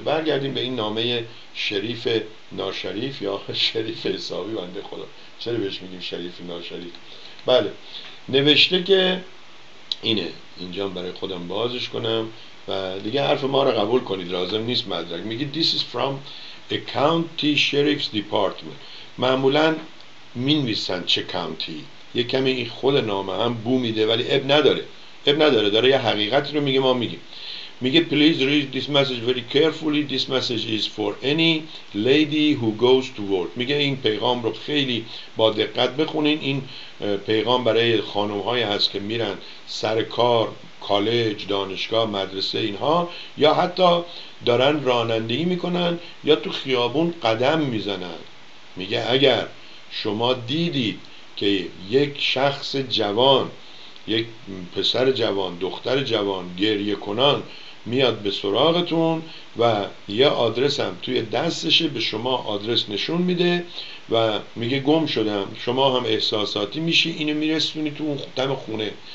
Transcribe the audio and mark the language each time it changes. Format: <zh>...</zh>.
<fa>برگردیم به این نامه شریف ناشریف یا شریف حسابی، بنده خدا چرا بهش میگیم شریف ناشریف. بله نوشته که اینه، اینجا برای خودم بازش کنم و دیگه حرف ما رو قبول کنید، لازم نیست مدرک. میگه</fa> <en>This is from a county sheriff's department.</en> <fa>معمولا مینویسن چه کانتی، یه کمی این خود نامه هم بو میده ولی اب نداره، اب نداره، داره یه حقیقتی رو میگه. ما میگیم میگه</fa> <en>Please read this message very carefully. This message is for any lady who goes to work.</en> <fa>میگه این پیغام رو خیلی با دقت بخونین، این پیغام برای خانم های هست که میرن سر کار، کالج، دانشگاه، مدرسه اینها، یا حتی دارن رانندگی میکنن یا تو خیابون قدم میزنن. میگه اگر شما دیدید که یک شخص جوان، یک پسر جوان، دختر جوان گریه کنان میاد به سراغتون و یه آدرس هم توی دستشه، به شما آدرس نشون میده و میگه گم شدم، شما هم احساساتی میشی، اینو میرسونی تو اون دم خونه.</fa>